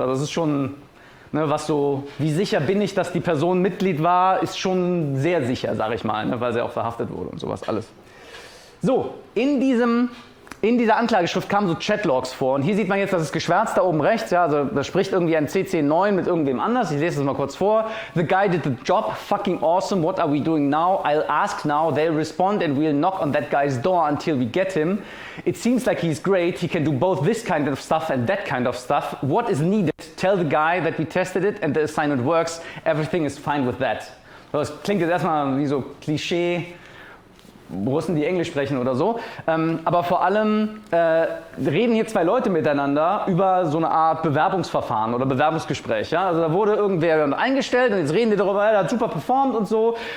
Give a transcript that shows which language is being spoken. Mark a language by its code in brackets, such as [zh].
[de] Also das ist schon, ne, was so, wie sicher bin ich, dass die Person Mitglied war, ist schon sehr sicher, sag ich mal, ne, weil sie auch verhaftet wurde und sowas alles. So, in dieser Anklageschrift kamen so Chatlogs vor und hier sieht man jetzt, das ist geschwärzt da oben rechts, ja, also da spricht irgendwie ein CC9 mit irgendwem anders, ich lese das mal kurz vor. [en] The guy did the job, fucking awesome, what are we doing now? I'll ask now, they'll respond and we'll knock on that guy's door until we get him. It seems like he's great, he can do both this kind of stuff and that kind of stuff. What is needed? Tell the guy that we tested it and the assignment works, everything is fine with that. [de] So, das klingt jetzt erstmal wie so Klischee. Russen, die Englisch sprechen oder so. Aber vor allem reden hier zwei Leute miteinander über so eine Art Bewerbungsverfahren oder Bewerbungsgespräch. Ja? Also da wurde irgendwer eingestellt und jetzt reden die darüber, er hat super performt und so.